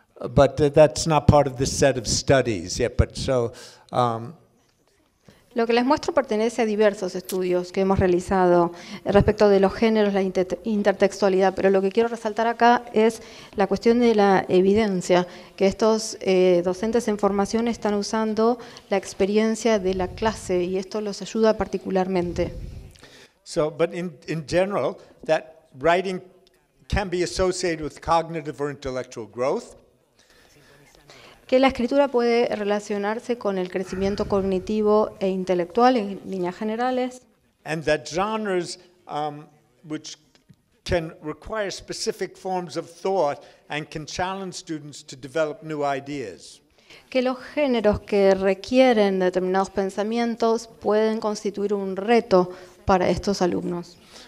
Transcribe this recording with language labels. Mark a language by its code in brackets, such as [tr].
[en] But that's not part of this set of studies yet. But so. [es] Lo que les muestro pertenece a diversos estudios que hemos realizado respecto de los géneros, la intertextualidad, pero lo que quiero resaltar acá es la cuestión de la evidencia, que estos docentes en formación están usando la experiencia de la clase y esto los ayuda particularmente. [en] So, but in general, that writing can be associated with cognitive or intellectual growth. [es] Que la escritura puede relacionarse con el crecimiento cognitivo e intelectual en líneas generales. [en] And that genres which can require specific forms of thought and can challenge students to develop new ideas. [es] Que los géneros que requieren determinados pensamientos pueden constituir un reto para estos alumnos.